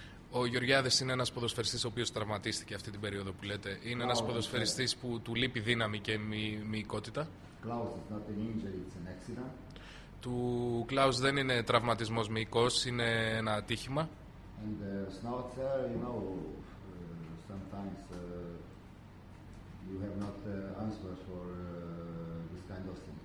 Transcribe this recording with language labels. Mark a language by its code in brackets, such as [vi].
[el] Ο Γεωργιάδης είναι ένας ποδοσφαιριστής ο οποίος τραυματίστηκε αυτή την περίοδο που λέτε. Είναι ένας ποδοσφαιριστής που του λείπει δύναμη και μυϊκότητα. [en] Klaus is not an injury, it's an accident. [el] Του Κλάους δεν είναι τραυματισμός μυϊκός, είναι ένα ατύχημα. [en] And Schnauzer, you know, sometimes you have not answers for this kind of thing.